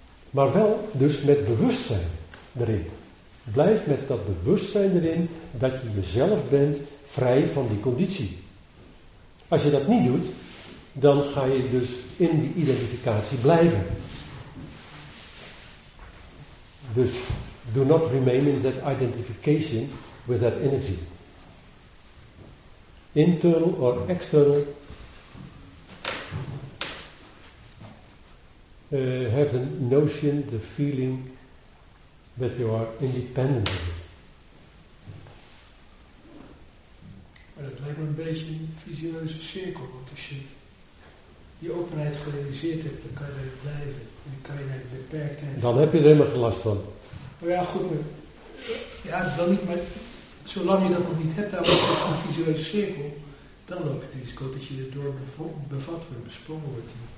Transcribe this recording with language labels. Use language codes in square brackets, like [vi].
[nl] Maar wel dus met bewustzijn erin. Blijf met dat bewustzijn erin dat je jezelf bent vrij van die conditie. Als je dat niet doet, dan ga je dus in die identificatie blijven. Dus [en] do not remain in that identification with that energy. Internal or external. Have the notion, the feeling that you are independent of it. [nl] Maar dat lijkt me een beetje een visieuze cirkel, want als je die openheid gerealiseerd hebt, dan kan je er blijven. En dan kan je naar de beperktheid. Dan heb je er helemaal geen last van. Maar ja, goed. Maar, ja, dan niet, maar zolang je dat nog niet hebt, dan is het een visieuze cirkel, dan loop je het risico dat je erdoor bevat wordt, besprongen wordt.